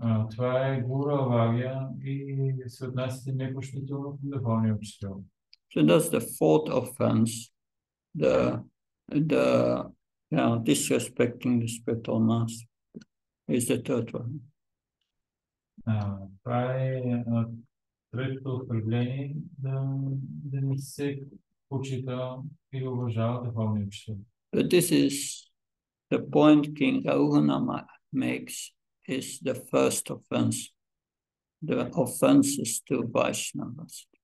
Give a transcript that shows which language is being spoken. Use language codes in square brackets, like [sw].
[bg] Това е Гуру Авагия и се отнасяте непочтително към духовния учител. [en] So that's the fourth offense, the disrespecting the spiritual master is the third one. [bg] Това е третото оскърбление да не се почита и уважава духовния учител. [en] But this is the point King Raghuna makes. Is the first offense, the offenses to Vaishnavas.